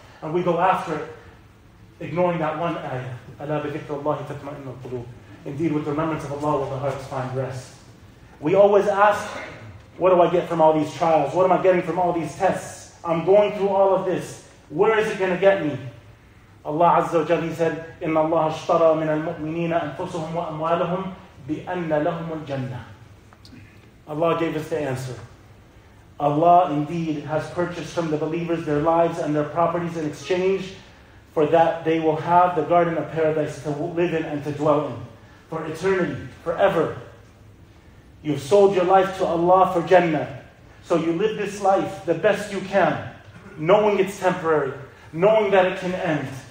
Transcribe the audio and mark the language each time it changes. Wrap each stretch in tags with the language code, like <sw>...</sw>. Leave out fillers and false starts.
<en>And we go after it, ignoring that one ayah.</en> <ar>أَلَا بِذِكْرَ اللَّهِ تَطْمَئِنُ الْقُلُوبِ.</ar> <en>Indeed, with the remembrance of Allah will the hearts find rest. We always ask, what do I get from all these trials? What am I getting from all these tests? I'm going through all of this. Where is it going to get me? Allah Azza wa Jal, He said,</en> <ar>إِنَّ اللَّهَ اشْتَرَى مِنَ الْمُؤْمِنِينَ أَنفُسُهُمْ وَأَمْوَالَهُمْ بِأَنَّ لَهُمُ الْجَنَّةِ.</ar> <en>Allah gave us the answer. Allah indeed has purchased from the believers their lives and their properties in exchange for that they will have the garden of paradise to live in and to dwell in for eternity, forever. You've sold your life to Allah for Jannah. So you live this life the best you can, knowing it's temporary, knowing that it can end.</en>